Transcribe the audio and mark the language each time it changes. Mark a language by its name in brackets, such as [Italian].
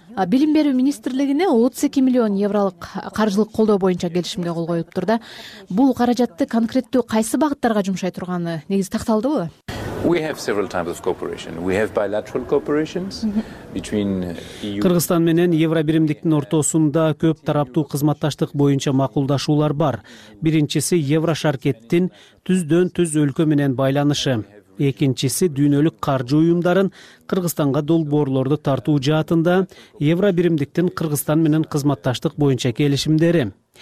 [Kyrgyz] Билим берүү министрлигине 32 миллион евролук каржылык колдоо боюнча келишимге кол коюптур да. Бул каражатты конкреттүү кайсы багыттарга жумшай турганы негизи такталдыбы? [English] We have several types of cooperation. We have bilateral cooperation between EU. [Kyrgyz] Кыргызстан менен Евро биримдиктин ортосунда көп тараптуу кызматташтык боюнча макулдашуулар бар. Биринчиси Евро шаркеттин түздөн түз өлкө менен байланышы. Экинчиси дүйнөлүк каржы уюмдарын Кыргызстанга долбоорлорду тартуу жаатында Евро биримдиктин Кыргызстан менен кызматташтык боюнча келишимдери.